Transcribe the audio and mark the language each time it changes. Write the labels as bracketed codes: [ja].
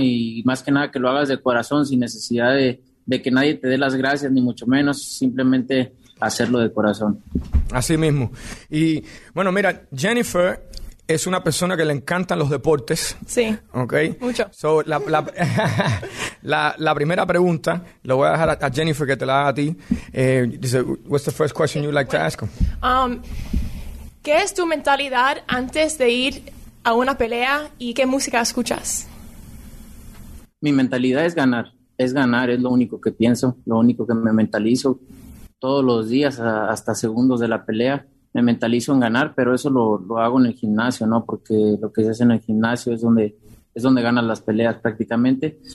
[es] Y más que nada que lo hagas de corazón, sin necesidad de que nadie te dé las gracias, ni mucho menos, simplemente hacerlo de corazón. Así mismo. Y bueno, mira, Jennifer es una persona que le encantan los deportes. Sí. ¿Ok? Mucho. So, la primera pregunta, lo voy a dejar a Jennifer que te la haga a ti. [en] What's the first question you'd like to ask him? [es] ¿Qué es tu mentalidad antes de ir a una pelea y qué música escuchas? Mi mentalidad es ganar. Es ganar, es lo único que pienso, lo único que me mentalizo todos los días hasta segundos de la pelea. Me mentalizo en ganar, pero eso lo hago en el gimnasio, ¿no? Porque lo que se hace en el gimnasio es donde ganan las peleas prácticamente.